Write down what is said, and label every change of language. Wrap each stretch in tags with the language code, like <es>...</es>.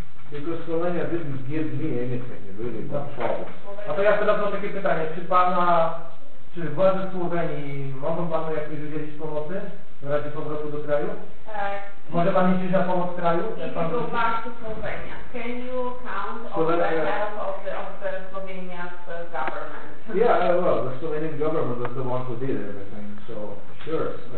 <en>Because Slovenia didn't give me anything, really, no problem.</en> <pl>A to ja teraz mam takie pytanie, czy władze Słowenii mogą panu jakieś udzielić pomocy w razie powrotu do kraju? Może pan iść na pomoc kraju?</pl> <en>The Slovenian government was the one who did everything, so sure.</en>